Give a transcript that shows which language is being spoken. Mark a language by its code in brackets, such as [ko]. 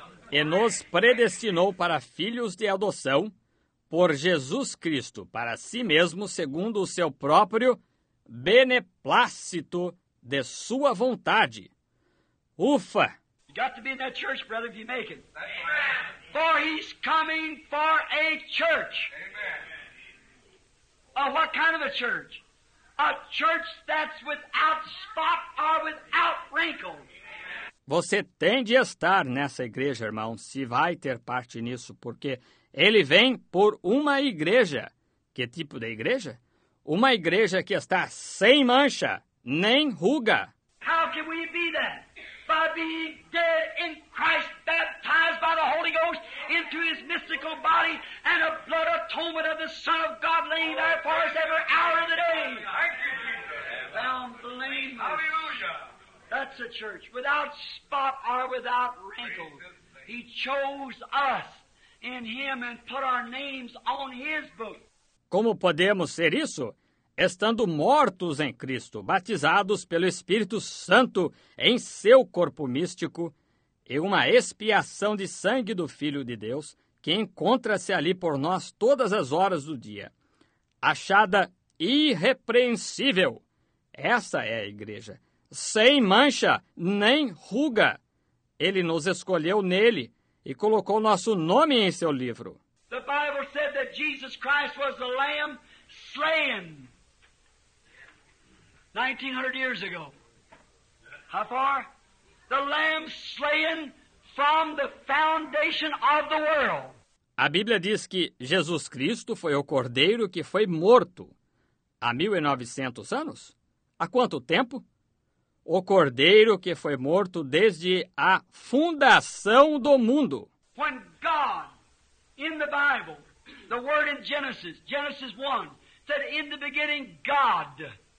[pt] E nos predestinou para filhos de adoção por Jesus Cristo para si mesmo segundo o seu próprio beneplácito de sua vontade. Ufa! [en] You got to be in that church, brother, if you make it. Amen. For he's coming for a church. Amen. A what kind of a church? A church that's without spot or without wrinkle. [pt] Você tem de estar nessa igreja, irmão, se vai ter parte nisso, porque ele vem por uma igreja. Que tipo de igreja? Uma igreja que está sem mancha, nem ruga. [en] How can we be that? By being dead in Christ, baptized by the Holy Ghost into his mystical body, and a blood atonement of the Son of God laying there for us every hour of the day. Thank you, Jesus. Blameless. Hallelujah. That's a church without spot or without wrinkle. He chose us in him and put our names on his book. [pt] Como podemos ser isso? Estando mortos em Cristo, batizados pelo Espírito Santo em seu corpo místico, e uma expiação de sangue do Filho de Deus, que encontra-se ali por nós todas as horas do dia, achada irrepreensível. Essa é a igreja, sem mancha nem ruga. Ele nos escolheu nele e colocou nosso nome em seu livro. [en] The Bible said that Jesus Christ was the Lamb slain. 1900 years ago. How far? The Lamb slain from the foundation of the world. [pt] A Bíblia diz que Jesus Cristo foi o Cordeiro que foi morto. Há 1900 anos? Há quanto tempo? O Cordeiro que foi morto desde a fundação do mundo. [en] When God, in the Bible, the word in Genesis, Genesis 1, said in the beginning, God...